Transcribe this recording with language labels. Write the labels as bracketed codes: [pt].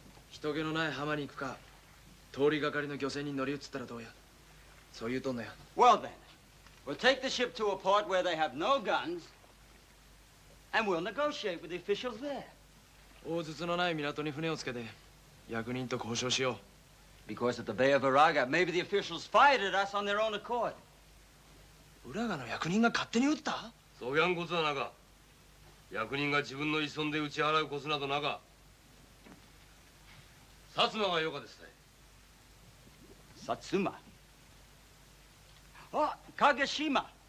[ja] 人気のない浜に行くか、通りがかりの漁船に乗り移ったらどうや。そう言うとんのや。 [en] Well then, we'll take the ship to a port where they have no guns. And we'll negotiate with the officials there. [ja] 大筒のない港に船をつけて役人と交渉しよう。 [en] Because at the Bay of Uraga, maybe the officials fired at us on their own accord. [ja] ウラガの役人が勝手に撃った。そぎゃんことはなか。役人が自分の依存で打ち払うコツなどなか。薩摩がよかですね。薩摩、あ、影島。